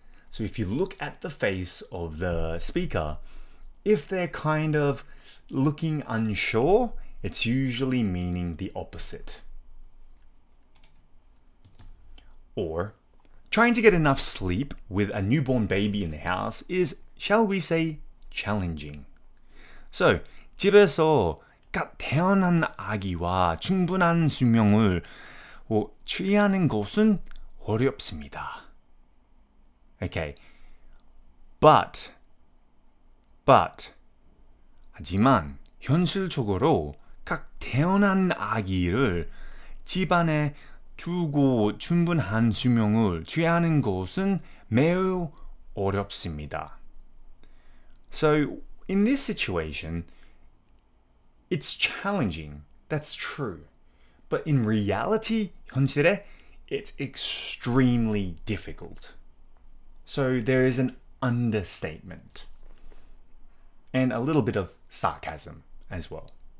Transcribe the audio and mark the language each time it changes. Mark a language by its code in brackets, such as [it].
[en] So, if you look at the face of the speaker, if they're kind of looking unsure, it's usually meaning the opposite. Or, trying to get enough sleep with a newborn baby in the house is, shall we say, challenging. [ko] So, 집에서 갓 태어난 아기와 충분한 수면을 취하는 것은 어렵습니다. [en] Okay, but, [ko] 하지만 현실적으로 갓 태어난 아기를 집안에 두고 충분한 수면을 취하는 것은 매우 어렵습니다. [en] So, in this situation, it's challenging, that's true. But in reality, [ko] 현실에, [en] it's extremely difficult. So, there is an understatement. And a little bit of sarcasm as well.